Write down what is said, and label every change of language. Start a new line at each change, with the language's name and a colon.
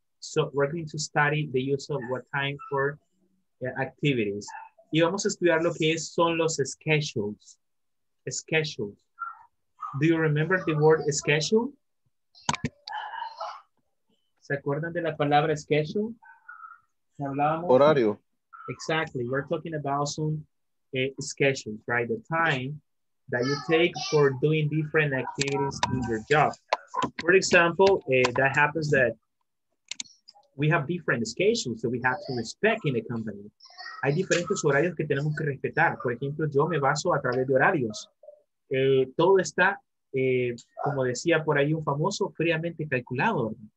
English: So we're going to study the use of what time for activities.
Spanish: Y vamos a estudiar lo que son los schedules.
English: Schedules. Do you remember the word schedule?
Spanish: ¿Se acuerdan de la palabra schedule? Hablábamos horario.
English: Exactly. We're talking about some schedules, right? The time that you take for doing different activities in your job. For example, that happens that we have different schedules that we have to respect in the company.
Spanish: Hay diferentes horarios que tenemos que respetar. Por ejemplo, yo me baso a través de horarios. Todo está, como decía por ahí un famoso, fríamente calculado.